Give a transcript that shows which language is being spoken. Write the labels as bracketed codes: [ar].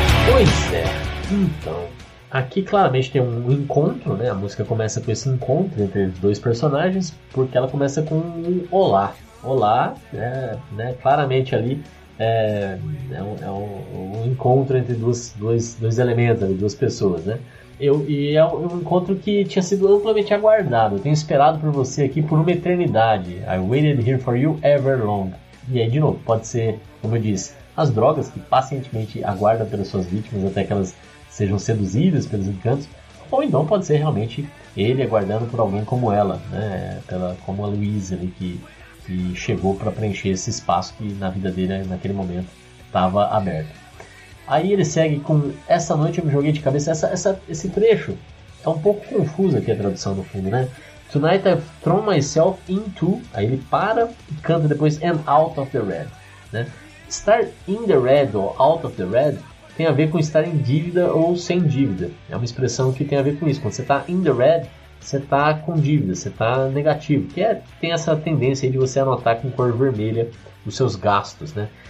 [pt] Pois é, então, aqui claramente tem um encontro, né? A música começa com esse encontro entre os dois personagens, porque ela começa com um olá. Olá, né? Claramente ali é um encontro entre dois elementos, duas pessoas, né? É um encontro que tinha sido amplamente aguardado. Eu tenho esperado por você aqui por uma eternidade. [en] I waited here for you ever long. [pt] E aí, de novo, pode ser, como eu disse, as drogas que pacientemente aguardam pelas suas vítimas até que elas sejam seduzidas pelos encantos. Ou então pode ser realmente ele aguardando por alguém como ela, né? Como a Louise ali, que chegou para preencher esse espaço que na vida dele, naquele momento, estava aberto. Aí ele segue com: "Essa noite eu me joguei de cabeça." Esse trecho é um pouco confuso aqui, a tradução no fundo, né? [en] "Tonight I've thrown myself into..." [pt] Aí ele para e canta depois [en] "and out of the red", [pt] né? Estar [en] in the red [pt] ou [en] out of the red [pt] tem a ver com estar em dívida ou sem dívida. É uma expressão que tem a ver com isso. Quando você está [en] in the red, [pt] você está com dívida, você está negativo. Que tem essa tendência aí de você anotar com cor vermelha os seus gastos, né?